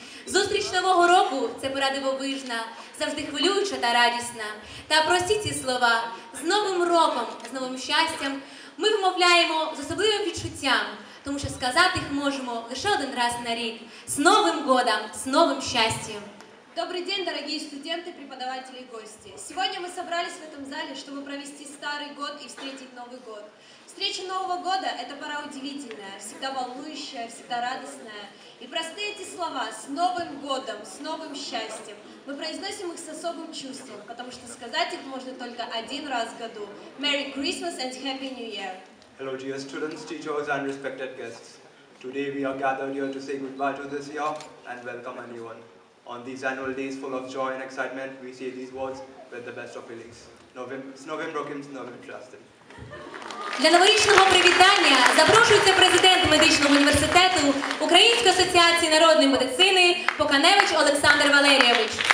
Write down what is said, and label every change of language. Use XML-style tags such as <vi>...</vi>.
<uk>Зустріч нового року – це пора дивовижна, завжди хвилююча та радісна. Та прості ці слова – з новим роком, з новим щастям ми вимовляємо з особливим відчуттям, тому що сказати їх можемо лише один раз на рік. З Новим годом, з новим щастям!</uk> <ru>Добрый день, дорогие студенты, преподаватели и гости. Сегодня мы собрались в этом зале, чтобы провести старый год и встретить Новый год. Встреча Нового года – это пора удивительная, всегда волнующая, всегда радостная. И простые эти слова «с Новым годом», «с новым счастьем» мы произносим их с особым чувством, потому что сказать их можно только один раз в году.</ru> <en>Merry Christmas and Happy New Year! Hello, dear students, teachers and respected guests. Today we are gathered here to say goodbye to this year and welcome a new one. On these annual days full of joy and excitement, we say these words with the best of feelings.</en> <uk>Новим роком, з новим щастям. Для новорічного привітання запрошується президент медичного університету Української асоціації народної медицини Поканевич Олександр Валерійович.</uk>